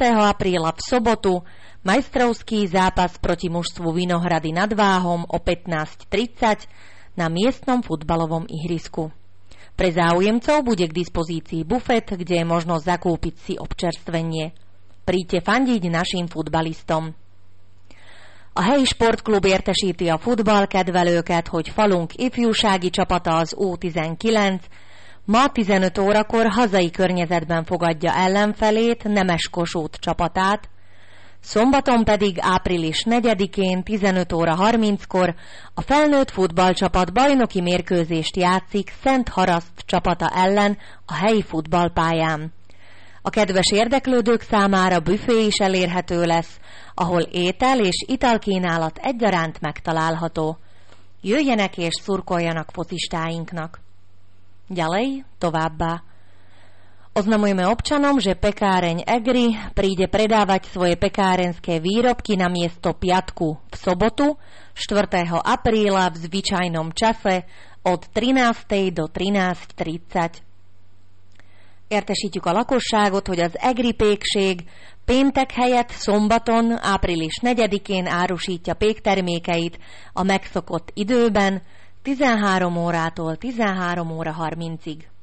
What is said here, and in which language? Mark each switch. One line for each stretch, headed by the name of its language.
Slovak: apríla v sobotu majstrovský zápas proti mužstvu Vinohrady nad Váhom o 15.30 na miestnom futbalovom ihrisku. Pre záujemcov bude k dispozícii bufet, kde je možnosť zakúpiť si občerstvenie. Príďte fandiť našim futbalistom.
Hungarian: A helyi sportklub értesíti a futballkedvelőket, hogy falunk ifjúsági csapata az U19 ma 15 órakor hazai környezetben fogadja ellenfelét, Nemes Kossuth csapatát, szombaton pedig április 4-én 15 óra 30-kor a felnőtt futballcsapat bajnoki mérkőzést játszik Szent Haraszt csapata ellen a helyi futballpályán. A kedves érdeklődők számára büfé is elérhető lesz, ahol étel és italkínálat egyaránt megtalálható. Jöjjenek és szurkoljanak focistáinknak!
Slovak: Ďalej, továbbá. Oznamujeme občanom, že pekáreň Egri príde predávať svoje pekárenské výrobky na miesto piatku v sobotu 4. apríla v zvyčajnom čase od 13. do 13.30.
Hungarian: Értesítjük a lakosságot, hogy az Egri pékség péntek helyett szombaton április 4-én árusítja péktermékeit a megszokott időben, 13 órától 13 óra 30-ig.